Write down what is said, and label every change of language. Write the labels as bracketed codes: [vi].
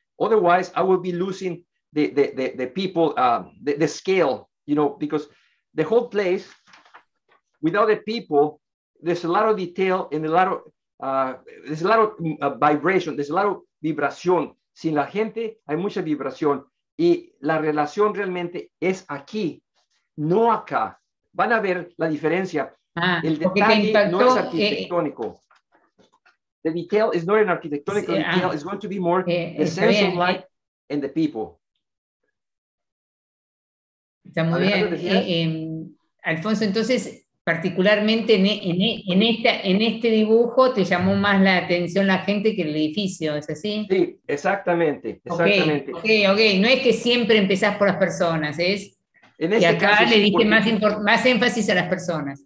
[en] Otherwise, I will be losing the people, the scale, you know, because the whole place without the people, there's a lot of detail and a lot of vibration, there's a lot of vibración. [es] Sin la gente hay mucha vibración, y la relación realmente es aquí, no acá. Van a ver la diferencia. El detalle no es arquitectónico. [en] The detail is not an architectonical detail. It's going to be more the sense of light and the people. [es] Está muy bien. Alfonso, entonces, particularmente en este dibujo, te llamó más la atención la gente que el edificio, ¿es así? Sí, exactamente. Okay. No es que siempre empezás por las personas, es en este que acá caso, le dije más énfasis a las personas.